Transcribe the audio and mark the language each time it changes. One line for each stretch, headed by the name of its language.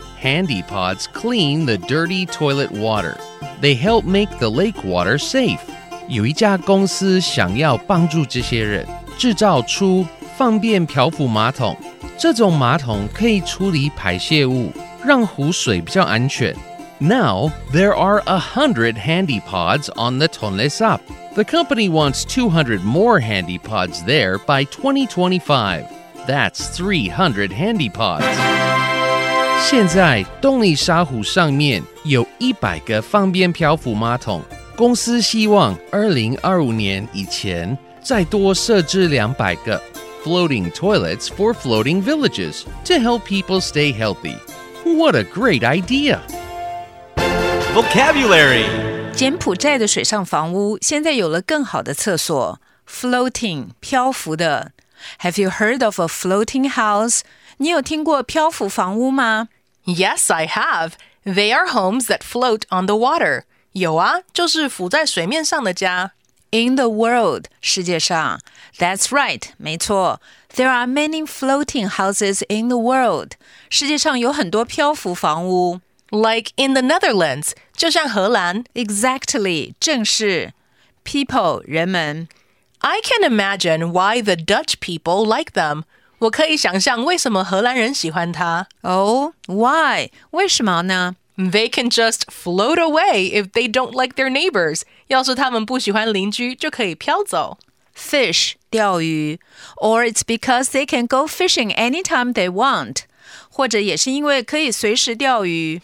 English: HandyPods clean the dirty toilet water. They help make the lake water safe.
Chinese: 有一家公司想要帮助这些人，制造出方便漂浮马桶。这种马桶可以处理排泄物，让湖水比较安全。
English: Now, there are 100 HandyPods on the Tonle Sap. The company wants 200 more HandyPods there by 2025. That's 300 HandyPods.
Chinese: 现在洞里沙湖上面有100个方便漂浮马桶，公司希望2025年以前再多设置200个
English: Floating toilets for floating villages to help people stay healthy. What a great idea! Vocabulary
Chinese: 柬埔寨的水上房屋现在有了更好的厕所 Floating 漂浮的
English: Have you heard of a floating house?
Chinese: 你有听过漂浮房屋吗?
English: Yes, I have. They are homes that float on the water.
Chinese: 有啊,就是浮在水面上的家。
English: In the world,
Chinese: 世界上。
English: That's right,
Chinese: 没错。
English: There are many floating houses in the world.
Chinese: 世界上有很多漂浮房屋。
English: Like in the Netherlands,
Chinese: 就像荷兰。
English: Exactly,
Chinese: 正是。
English: People,
Chinese: 人们。
English: I can imagine why the Dutch people like them.
Chinese: 我可以想象为什么荷兰人喜欢它。
English: Oh, why?
Chinese: 为什么呢?
English: They can just float away if they don't like their neighbors.
Chinese: 要是他们不喜欢邻居就可以飘走。
English: Fish,
Chinese: 钓鱼。
English: Or it's because they can go fishing anytime they want.
Chinese: 或者也是因为可以随时钓鱼。